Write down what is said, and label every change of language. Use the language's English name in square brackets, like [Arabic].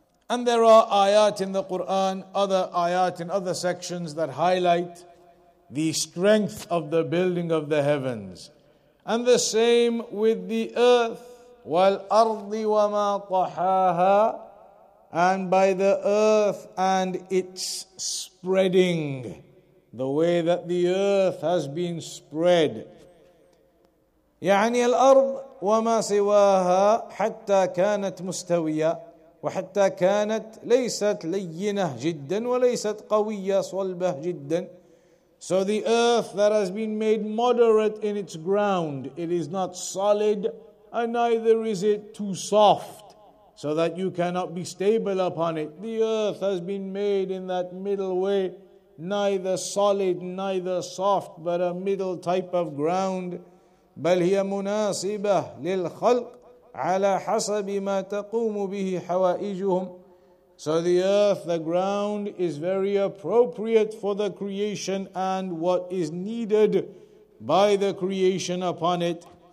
[English] And there are ayat in the Quran, other ayat in other sections that highlight the strength of the building of the heavens. And the same with the earth. [Arabic] وَالْأَرْضِ وَمَا طَحَاهَا, [English] and by the earth and its spreading, the way that the earth has been spread. [Arabic] يعني الأرض وما سواها حتى كانت مستوية وحتى كانت ليست لينة جدا وليست قوية صلبة جدا. [English] So the earth that has been made moderate in its ground, it is not solid and neither is it too soft so that you cannot be stable upon it. The earth has been made in that middle way, neither solid, neither soft, but a middle type of ground. [Arabic] بل هي مناسبة للخلق على حسب ما تقوم به حوائجهم. [English] So the earth, the ground, is very appropriate for the creation and what is needed by the creation upon it.